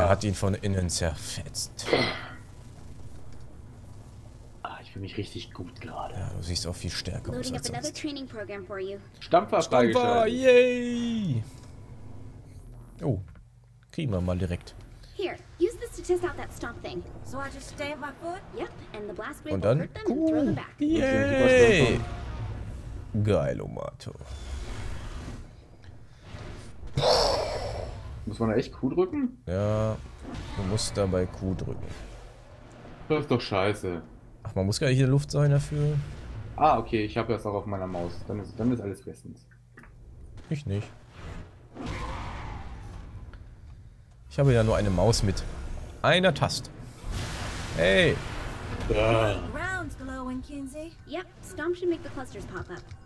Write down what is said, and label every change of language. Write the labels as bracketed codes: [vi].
[de] Er hat ihn von innen zerfetzt. Für mich richtig gut gerade. Ja, du siehst auch viel stärker aus als sonst. Stampfer freigeschaltet. Yay! Oh, kriegen wir mal direkt. [en] Here, use this to test out that stomp thing. So I just stay on my foot? Yep, and the blast grip [de] und dann, [en] cool. And throw them back. [de] Yay! Geil, Omato. Muss man da echt Q drücken? Ja, du musst dabei Q drücken. Das ist doch scheiße. Ach, man muss gar nicht in der Luft sein dafür. Ah, okay, ich habe das auch auf meiner Maus. Dann ist alles bestens. Ich nicht. Ich habe ja nur eine Maus mit einer Taste. Hey! [en] Rounds glowing, Kinsey. Yep, Stomp should make the clusters pop up.